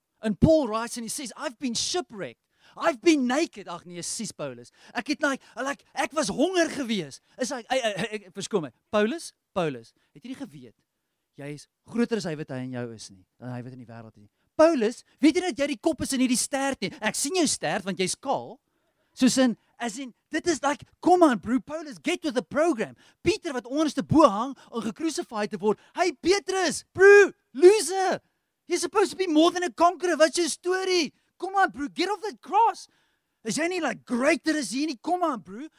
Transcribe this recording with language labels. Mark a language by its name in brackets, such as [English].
[English] And Paul writes and he says, I've been shipwrecked. I've been naked. [Afrikaans] Ag nee, sies Paulus. Ek het like ek was honger gewees. Is ek verskoon my. Paulus, het jy nie geweet jy is groter as hy wat hy in jou is nie dan hy wat in die wêreld is. Paulus, weet jy dat jy die kop is in hierdie stert nie? Ek sien jou stert want jy's kaal. Soos in as in dit is [English] like come on bro Paulus, get with the program. [Afrikaans] Pieter wat onderste bo hang om gekrusifieer te word. Hey Petrus, bro, loser. [English] You're supposed to be more than a conqueror. What's your story? Come on, bro. Get off that cross. Is any like greater as any? Come on, bro.